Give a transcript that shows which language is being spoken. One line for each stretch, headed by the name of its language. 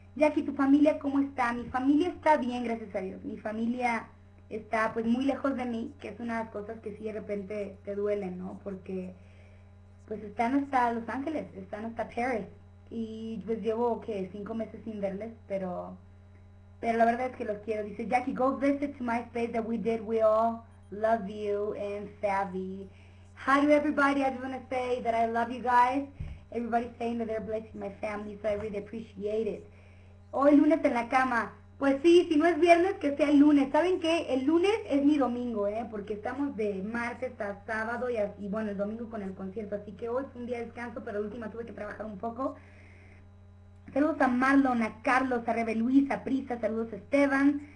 Spanish: Jackie, ¿tu familia cómo está? Mi familia está bien, gracias a Dios. Mi familia está pues muy lejos de mí, que es una de las cosas que sí de repente te duelen, ¿no? Porque pues están hasta Los Ángeles, están hasta Paris. Y pues llevo, ¿qué? 5 meses sin verles, pero la verdad es que los quiero. Dice
English: Jackie, go visit to my space that we did. We all love you and Savvy. Hi to everybody, I just want to say that I love you guys. Everybody's saying that they're blessing my family, so I really appreciate it.
Spanish: Hoy lunes en la cama. Pues sí, si no es viernes, que sea el lunes. ¿Saben qué? El lunes es mi domingo, ¿eh? Porque estamos de martes a sábado y bueno, el domingo con el concierto. Así que hoy es un día de descanso, pero la última tuve que trabajar un poco. Saludos a Marlon, a Carlos, a Rebe Luis, a Prisa, saludos a Esteban.